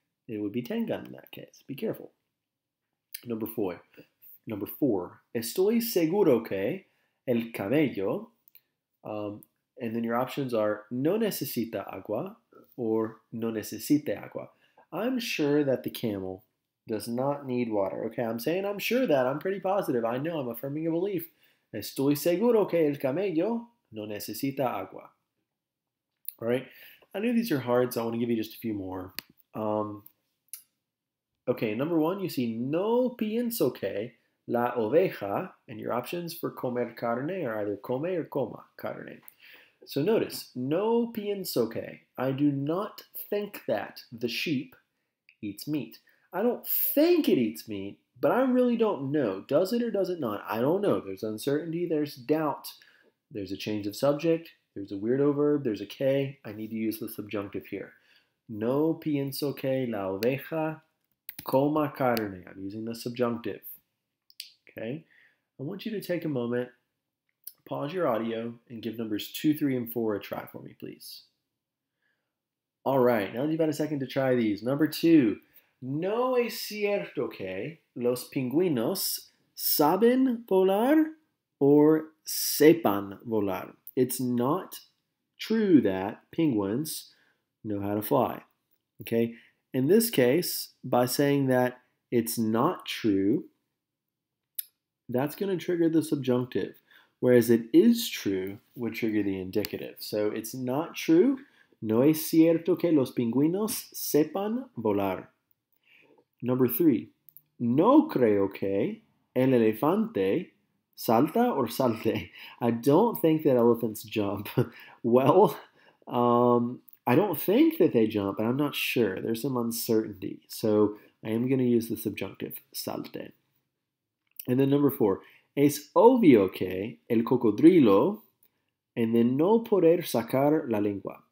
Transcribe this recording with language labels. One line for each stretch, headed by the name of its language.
English: It would be tengan in that case. Be careful. Number four.
Spanish: Estoy seguro que el camello,
English: and then your options are
Spanish: no necesita agua or no necesite agua.
English: I'm sure that the camel does not need water. Okay, I'm saying I'm sure that. I'm pretty positive. I know. I'm affirming a belief.
Spanish: Estoy seguro que el camello no necesita agua.
English: All right. I know these are hard, so I want to give you just a few more. Okay, number one, you see
Spanish: no pienso que la oveja,
English: and your options for
Spanish: comer carne
English: are either come or
Spanish: coma carne.
English: So notice,
Spanish: no pienso que,
English: I do not think that the sheep eats meat. I don't think it eats meat, but I really don't know. Does it or does it not? I don't know. There's uncertainty, there's doubt, there's a change of subject, there's a weirdo verb, there's a K. I need to use the subjunctive here.
Spanish: No pienso que la oveja coma carne.
English: I'm using the subjunctive. Okay, I want you to take a moment, pause your audio, and give numbers 2, 3, and 4 a try for me, please. All right, now that you've had a second to try these. Number 2,
Spanish: no es cierto que los pingüinos saben volar or sepan volar.
English: It's not true that penguins know how to fly. Okay, in this case, by saying that it's not true, that's going to trigger the subjunctive, whereas it is true would trigger the indicative. So it's not true.
Spanish: No es cierto que los pingüinos sepan volar.
English: Number 3.
Spanish: No creo que el elefante salta or salte.
English: I don't think that elephants jump. Well, I don't think that they jump, but I'm not sure. There's some uncertainty. So I am going to use the subjunctive, salte. And then number 4,
Spanish: es obvio que el cocodrilo,
English: and then
Spanish: no poder sacar la lengua.